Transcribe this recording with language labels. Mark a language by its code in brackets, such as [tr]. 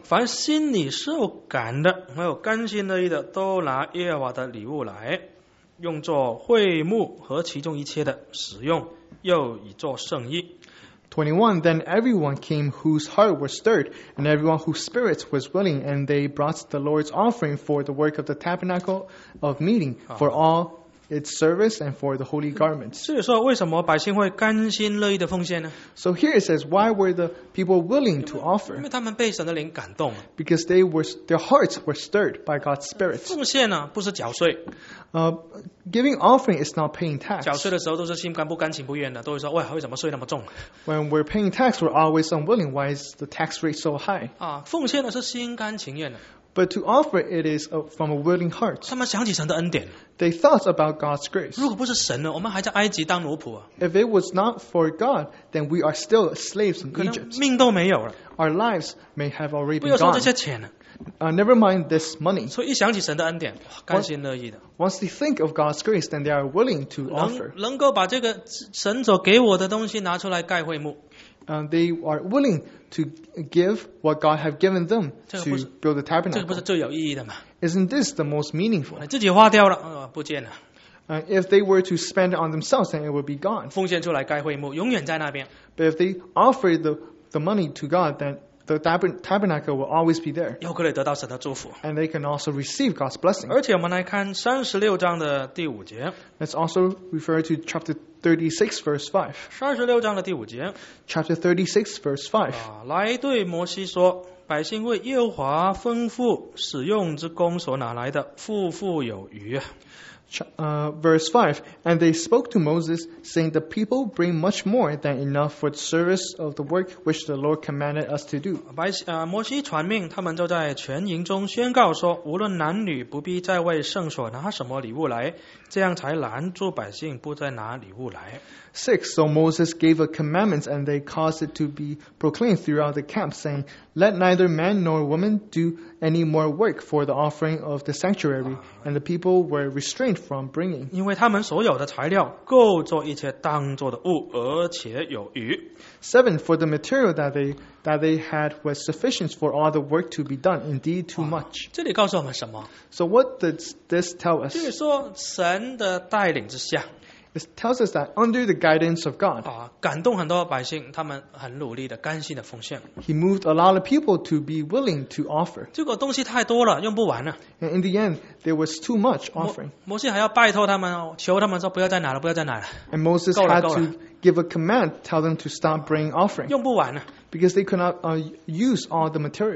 [zh] 凡心里受感的，没有甘心乐意的，都拿耶和华的礼物来，用作会幕和其中一切的使用，又以作圣衣。 21. [en] Then everyone came whose heart was stirred, and everyone whose spirit was willing, and they brought the Lord's offering for the work of the tabernacle of meeting, for all its service and for the holy garments. [zh] 所以说为什么百姓会甘心乐意的奉献呢？ [en] So here it says, why were the people willing to offer? [zh] 因为他们被神的灵感动。 [en] Because they were, their hearts were stirred by God's spirit. [zh] 奉献呢，不是缴税。 [en] Giving offering is not paying tax. [zh] 缴税的时候都是心甘不甘情不愿的，都会说，喂，为什么税那么重？ [en] When we're paying tax, we're always unwilling. Why is the tax rate so high? [zh] 啊，奉献呢，是心甘情愿的。 [en] But to offer it is from a willing heart. [zh] 他们想起神的恩典。 [en] They thought about God's grace. [zh] 如果不是神呢，我们还在埃及当奴仆啊。 [en] If it was not for God, then we are still slaves in Egypt. [zh] 可能命都没有了。 [en] Our lives may have already been gone. [zh] 不要说这些钱了。 [en] Never mind this money. [zh] 所以一想起神的恩典，甘心乐意的。 [en] Once they think of God's grace, then they are willing to offer. [zh] 能够把这个神所给我的东西拿出来盖会幕。 [en] They are willing to give what God has given them to build the tabernacle. [zh] 这个不是最有意义的吗？ [en] Isn't this the most meaningful? [zh] 自己花掉了，不见了。 [en] If they were to spend it on themselves, then it would be gone. [zh] 奉献出来该会幕，永远在那边。 [en] But if they offer the money to God, then the tabernacle will always be there. [zh] 又可以得到神的祝福。 [en] And they can also receive God's blessing. [zh] 而且我们来看36章的第5节。 [en] Let's also refer to chapter 36, verse 5. [zh] 36章的第5节。 [en] Chapter 36, verse 5. [zh] 来对摩西说，百姓为耶和华吩咐使用之工所拿来的，富富有余。 [en] Verse 5, and they spoke to Moses, saying, the people bring much more than enough for the service of the work which the Lord commanded us to do. [zh] 摩西传命，他们就在全营中宣告说，无论男女，不必再为圣所拿什么礼物来，这样才拦住百姓不再拿礼物来。 [en] 6, so Moses gave a commandment, and they caused it to be proclaimed throughout the camp, saying, let neither man nor woman do any more work for the offering of the sanctuary, and the people were restrained from bringing. [zh] 因为他们所有的材料够做一切当做的物，而且有余。 [en] 7, for the material that they had was sufficient for all the work to be done, indeed too much. [zh] 这里告诉我们什么？ [en] So what does this tell us? [zh] 就是说神的带领之下。 [en] It tells us that under the guidance of God, [zh] 感动很多百姓，他们很努力的、甘心的奉献。 [en] He moved a lot of people to be willing to offer. [zh] 结果东西太多了，用不完了。 [en] And in the end, there was too much offering. [zh] 摩西还要拜托他们，求他们说不要再拿了，不要再拿了。 [en] And Moses had to give a command, tell them to stop bringing offering. [zh] 用不完了。 [en] Because they could not use all the material.